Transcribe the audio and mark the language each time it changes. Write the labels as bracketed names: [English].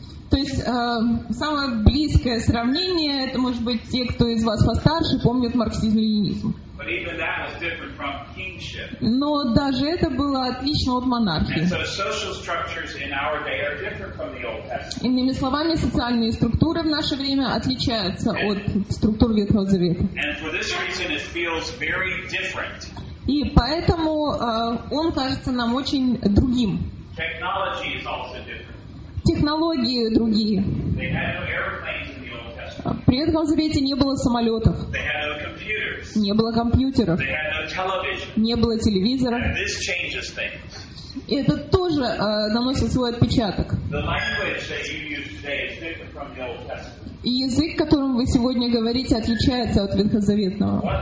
[Russian] То есть самое близкое сравнение, это может быть те, кто из вас постарше, помнят марксизм-ленинизм. [English] But even that was different from kingship. [Russian] Но даже это было отлично от монархии. [English] And so social structures in our day are different from the Old Testament. [Russian] Иными словами, социальные структуры в наше время отличаются от структур Ветхого Завета. [English] And for this reason, it feels very different. [Russian] И поэтому он кажется нам очень другим. [English] Technology is also different. [Russian] Технологии другие. [English] They had no airplanes in the Old Testament. [Russian] При Ветхом Завете не было самолетов. [English] They had no computers. [Russian] Не было компьютеров. [English] They had no television. [Russian] Не было телевизора. [English] And this changes things. [Russian] И это тоже наносит свой отпечаток. [English] The language that you use today is different from the Old Testament. [Russian] И язык, которым вы сегодня говорите, отличается от ветхозаветного.